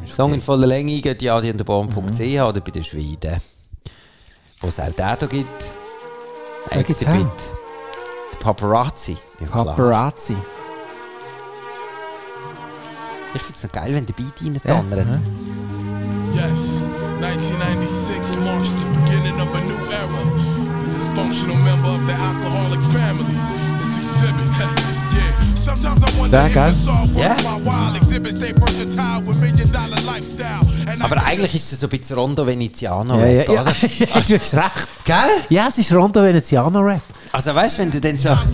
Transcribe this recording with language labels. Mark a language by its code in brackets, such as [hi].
[de] Song in voller Länge geht ja an der Baum.ch oder bei der Schweden. Wo es auch den hier gibt. Exhibit. Der Paparazzi. Ja, Paparazzi. Klar. Ich find's noch geil, wenn der Beat rein tannert. Ja. [en] Yes, 1996 marks the beginning of a new era. The dysfunctional member of the alcoholic family. It's exhibit. Sometimes I wonder if it's all worth my while. [de] Aber eigentlich ist es so ein bisschen Rondo Veneziano-Rap, ja, ja, oder? Ja, du hast recht. Gell? Ja, es ist Rondo Veneziano-Rap. Also weißt du, wenn du dann so...